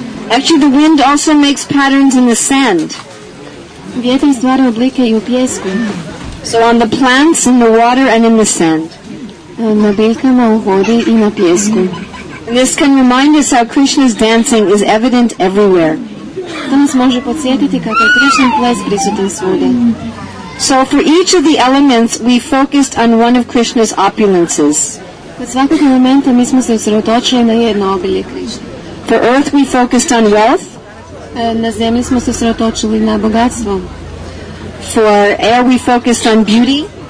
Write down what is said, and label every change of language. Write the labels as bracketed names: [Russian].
[English] Actually, the wind also makes patterns in the sand. [Croatian] Vjetar stvara oblike I u pjesku. [English] So on the plants, in the water, and in the sand. [Croatian] Na biljkama, u vodi I na pjesku. [English] And this can remind us how Krishna's dancing is evident everywhere. [Croatian] To nas može podsjetiti kako je Krishna ples prisutan svude. [English] So for each of the elements, we focused on one of Krishna's opulences. [Croatian] Kod svakog elementa mi smo se usredotočili na jedno obilje Krishna. [English] For earth we focused on wealth. [Croatian] Na zemlji smo se usredotočili na bogatstvo. [English] For air we focused on beauty.